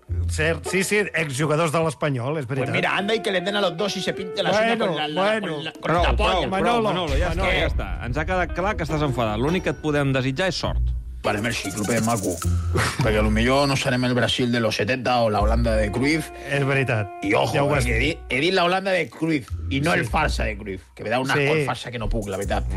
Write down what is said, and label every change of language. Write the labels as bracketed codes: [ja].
[ca] Cert, sí, exjugadors de l'Espanyol, és veritat. [es] Pues mira, anda y que le den a los dos y se pinte la suya con la polla. [ca] Manolo, ja està. Ens ha quedat clar que estàs enfadat. L'únic que et podem desitjar és sort. Vale, merci, clube maco. Perquè potser no serem el Brasil de los 70 o la Holanda de Cruyff. És veritat. I ojo, ja perquè he dit la Holanda de Cruyff i no el Farsa de Cruyff, [es] que me da una farsa [ca] que no puc, la veritat.